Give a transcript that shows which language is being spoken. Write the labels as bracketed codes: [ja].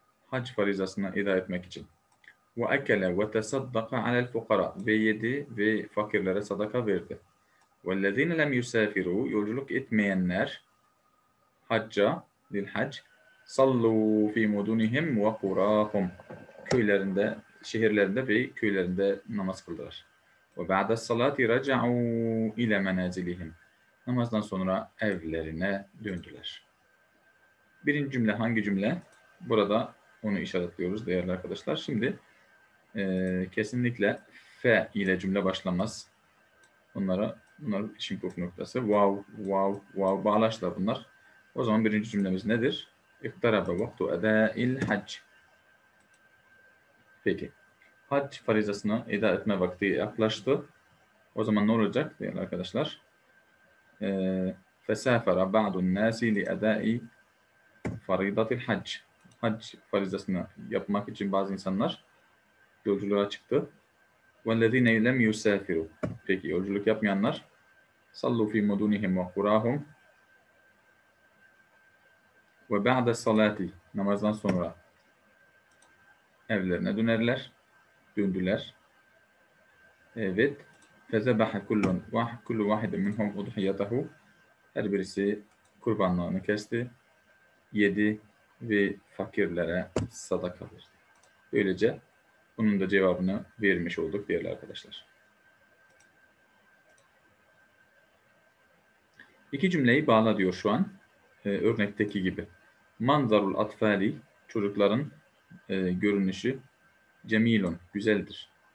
[tr] Hac farizasını eda etmek için. [ar] وَأَكَلَ وَتَصَدَّقَ عَلَى الْفُقَرَةِ [tr] ve yedi ve fakirlere sadaka verdi. [ar] وَالَّذِينَ لَمْ يُسَافِرُوا [tr] yolculuk etmeyenler hacca, dil hac, [ar] صَلُّوا فِي مُدُونِهِمْ وَقُرَاهُمْ [tr] köylerinde, şehirlerinde ve köylerinde namaz kıldılar. [ar] وَبَعْدَ الصَّلَاةِ رَجَعُوا اِلَى مَنَازِلِهِمْ [tr] namazdan sonra evlerine döndüler. Birinci cümle hangi cümle? Burada onu işaretliyoruz değerli arkadaşlar. Şimdi kesinlikle F ile cümle başlamaz. Bunlar işin kopuk noktası. Wow, wow, wow bağlaşlar bunlar. O zaman birinci cümlemiz nedir? [ar] İktarabe vaktu edail hac. [tr] Peki. Hac farizasını eda etme vakti yaklaştı. O zaman ne olacak değerli arkadaşlar? [ar] Fesafara ba'dun nasi li edai faridatil hac. [tr] Hac farizasını yapmak için bazı insanlar yolculuğa çıktı. [ar] وَالَّذ۪ينَ لَمْ يُسَافِرُوا [tr] peki yolculuk yapmayanlar [ar] صَلُّوا ف۪ي مُدُونِهِمْ وَقُرَاهُمْ وَبَعْدَ الصَّلَاةِ [tr] namazdan sonra evlerine dönerler. Döndüler. Evet. [ar] فَذَبَحَ كُلُّ وَاحِدٍ مِنْهُمْ اُضْحِيَتَهُ [tr] her birisi kurbanlığını kesti. Yedi ve fakirlere sadaka verdi. Böylece bunun da cevabını vermiş olduk değerli arkadaşlar. İki cümleyi bağla diyor şu an. Örnekteki gibi. [ar] Manzarul atfali, [tr] çocukların görünüşü [ar] cemilun, [tr] güzeldir.